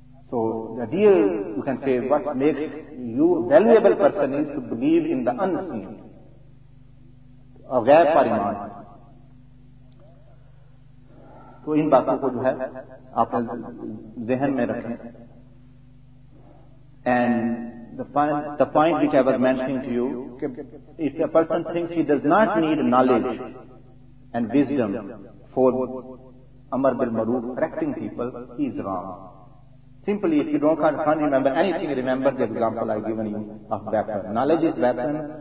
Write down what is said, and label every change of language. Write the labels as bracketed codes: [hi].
[en] So the dear you can say what makes you valuable person is to believe in the unseen, غیر پر ایمان. [ur] تو ان باتوں کو جو ہے آپ ذہن میں رکھیں. [en] And the point which I was mentioning to you, if a person thinks he does not need knowledge and wisdom for Amar bil Maruf, correcting people, he is wrong. Simply, if you don't can't remember anything, remember the example I've given you of weapon. Knowledge is weapon.